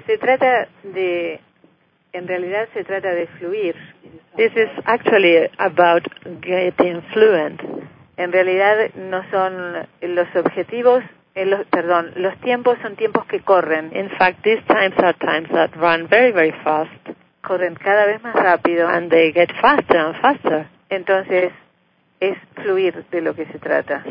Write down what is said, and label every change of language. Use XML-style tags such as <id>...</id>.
<es>Se trata de, en realidad se trata de fluir.</es> <en>This is actually about getting fluent.</en> <es>En realidad no son los objetivos, los tiempos son tiempos que corren.</es> <en>In fact, these times are times that run very, very fast.</en> <es>Corren cada vez más rápido.</es> <en>And they get faster and faster.</en> <es>Entonces es fluir de lo que se trata.</es>